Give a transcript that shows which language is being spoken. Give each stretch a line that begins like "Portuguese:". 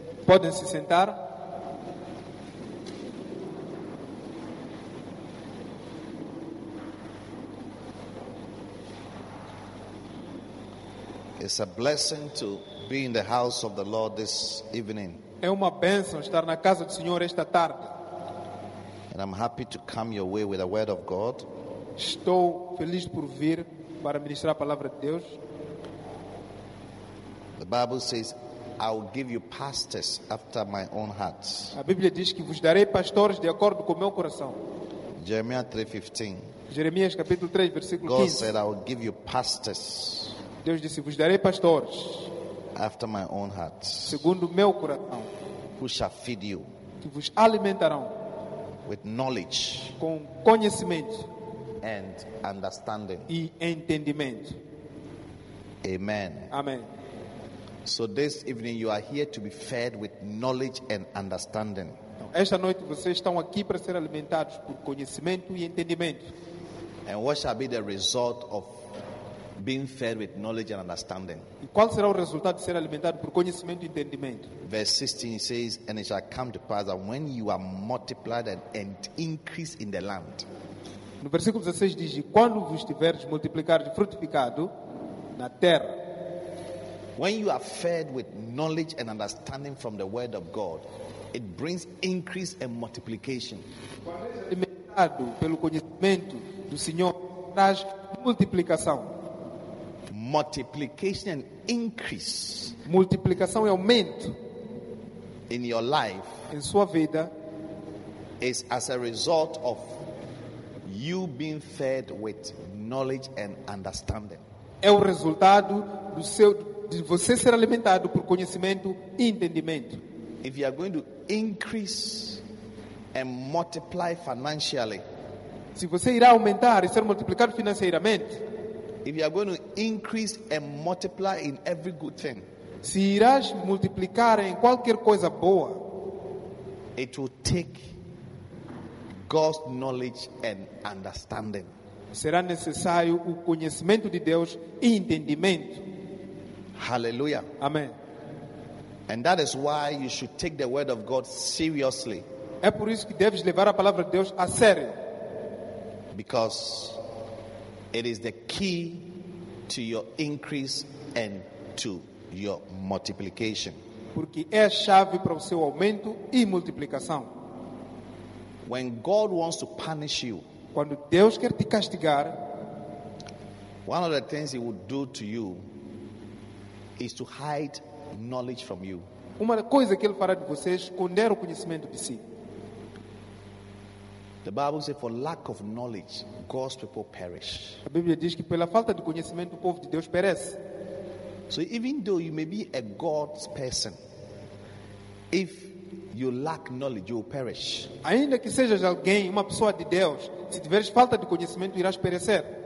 Portuguese: Podem se sentar.
English: It's a blessing to be in the house of the Lord this evening.
Portuguese: É uma bênção estar na casa do Senhor esta tarde.
English: And I'm happy to come your way with the word of God.
Portuguese: Estou feliz por vir para ministrar a palavra de Deus.
English: The Bible says, I will give you pastors after my own heart.
Portuguese: A Bíblia diz que vos darei pastores de acordo com o meu coração.
English: Jeremiah 3:15.
Portuguese: Jeremias capítulo 3 versículo 15.
English: God said, I will give you pastors.
Portuguese: Deus disse, vos darei pastores
English: after my own heart,
Portuguese: segundo o meu coração,
English: who shall feed you
Portuguese: que vos alimentarão
English: with knowledge
Portuguese: com conhecimento
English: and understanding
Portuguese: e entendimento.
English: Amen.
Portuguese: Amém.
English: So this evening you are here to be fed with knowledge and understanding.
Portuguese: Então, esta noite vocês estão aqui para ser alimentados por conhecimento e entendimento.
English: And what shall be the result of being fed with knowledge and understanding.
Portuguese: E qual será o resultado de ser alimentado por conhecimento e entendimento?
English: Verse 16 says, and it shall come to pass that when you are multiplied and increase in the land.
Portuguese: No versículo 16 diz, quando vos tiveres multiplicado e frutificado na terra,
English: When you are fed with knowledge and understanding from the word of God, it brings increase and multiplication. Multiplication and increase.
Portuguese: Multiplicação e aumento
English: in your life.
Portuguese: Em sua vida.
English: Is as a result of you being fed with knowledge and understanding.
Portuguese: É o resultado de você ser alimentado por conhecimento e entendimento.
English: If you are going to increase and multiply financially.
Portuguese: Se você irá aumentar e ser multiplicado financeiramente.
English: If you are going to increase and multiply in every good thing.
Portuguese: Se irás multiplicar em qualquer coisa boa.
English: It will take God's knowledge and understanding.
Portuguese: Será necessário o conhecimento de Deus e entendimento.
English: Hallelujah. Amen. And that is why you should take the word of God seriously.
Portuguese: É por isso que deves levar a palavra de Deus a sério.
English: Because it is the key to your increase and to your multiplication.
Portuguese: Porque é a chave para o seu aumento e multiplicação.
English: When God wants to punish you,
Portuguese: quando Deus quer te castigar,
English: one of the things he would do to you is to hide knowledge from you.
Portuguese: Uma coisa que ele fará de você é esconder o conhecimento de si.
English: The Bible says, for lack of knowledge, God's people perish.
Portuguese: A Bíblia diz que pela falta de conhecimento o povo de Deus perece.
English: So even though you may be a God's person, if you lack knowledge, you will perish.
Portuguese: Ainda que sejas alguém, uma pessoa de Deus, se tiveres falta de conhecimento, irás perecer.